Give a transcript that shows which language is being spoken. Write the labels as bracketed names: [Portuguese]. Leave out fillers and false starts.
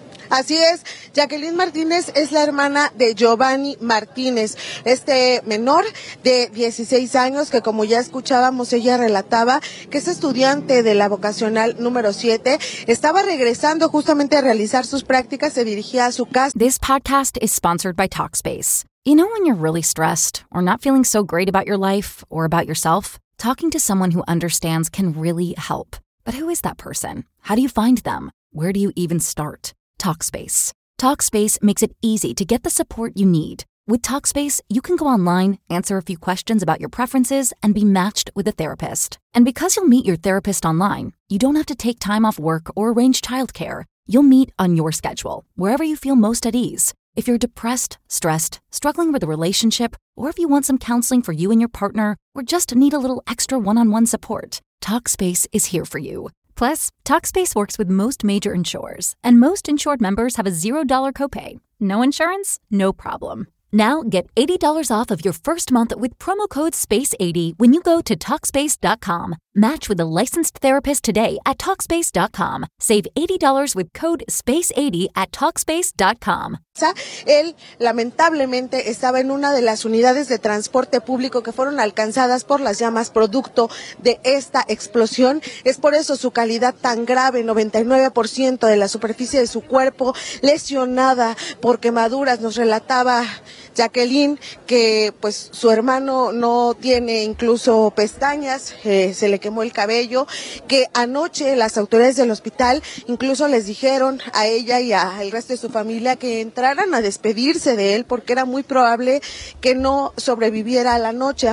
[Spanish] Así es, Jacqueline Martínez es la hermana de Giovanni Martínez, este menor de 16 años que, como ya escuchábamos, ella relataba que es estudiante de la vocacional número 7, estaba regresando justamente a realizar sus prácticas, se dirigía a su casa. [English] This podcast is sponsored by Talkspace. You know when you're really stressed or not feeling so great about your life or about yourself, talking to someone who understands can really help. But who is that person? How do you find them? Where do you even start? Talkspace. Talkspace makes it easy to get the support you need. With Talkspace, you can go online, answer a few questions about your preferences, and be matched with a therapist. And because you'll meet your therapist online, you don't have to take time off work or arrange childcare. You'll meet on your schedule, wherever you feel most at ease. If you're depressed, stressed, struggling with a relationship, or if you want some counseling for you and your partner, or just need a little extra one-on-one support, Talkspace is here for you. Plus, Talkspace works with most major insurers, and most insured members have a $0 copay. No insurance? No problem. Now, get $80 off of your first month with promo code SPACE80 when you go to Talkspace.com. Match with a licensed therapist today at Talkspace.com. Save $80 with code SPACE80 at Talkspace.com. [Spanish] Él, lamentablemente, estaba en una de las unidades de transporte público que fueron alcanzadas por las llamas producto de esta explosión. Es por eso su calidad tan grave, 99% de la superficie de su cuerpo lesionada por quemaduras, nos relataba Jacqueline, que pues su hermano no tiene incluso pestañas, se le quemó el cabello, que anoche las autoridades del hospital incluso les dijeron a ella y al resto de su familia que entraran a despedirse de él porque era muy probable que no sobreviviera a la noche.